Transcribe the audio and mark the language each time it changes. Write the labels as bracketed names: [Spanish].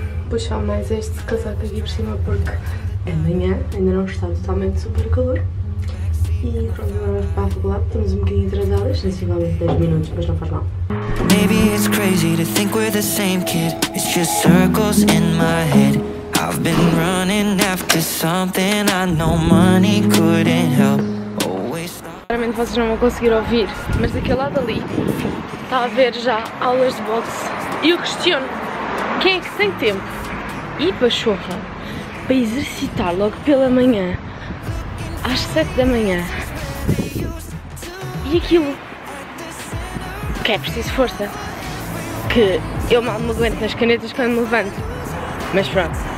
[Portuguese] Puxar mais este casaco aqui por cima porque amanhã ainda não está totalmente super calor. E pronto, agora vamos para a faculdade, estamos um bocadinho atrasadas, sensivelmente 10 minutos, mas não faz mal. [English] Maybe it's crazy to think we're the same kid. It's just circles in my head. I've been running after something I know money couldn't help. [Portuguese] Claramente vocês não vão conseguir ouvir, mas daquele lado ali está a haver já aulas de boxe. E eu questiono. Quem é que tem tempo e pachorra para exercitar logo pela manhã, às 7 da manhã, e aquilo que é preciso força, que eu mal me aguento nas canetas quando me levanto, mas pronto.